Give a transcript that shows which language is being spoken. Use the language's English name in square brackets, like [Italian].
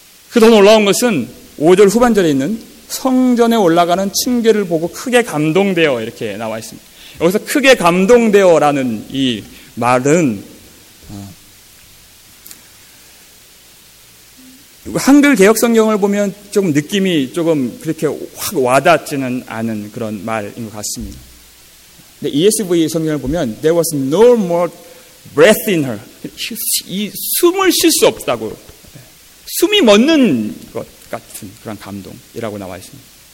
[Korean] 그 더 놀라운 것은 5절 후반절에 있는 성전에 올라가는 층계를 보고 크게 감동되어 이렇게 나와 있습니다. 여기서 크게 감동되어라는 이 말은 한글 개역 성경을 보면 조금 느낌이 조금 그렇게 확 와닿지는 않은 그런 말인 것 같습니다. 근데 ESV 성경을 보면 [English] There was no more breath in her. [Korean] 이 숨을 쉴 수 없다고. 숨이 멎는 것 같은 그런 감동이라고 나와 있습니다.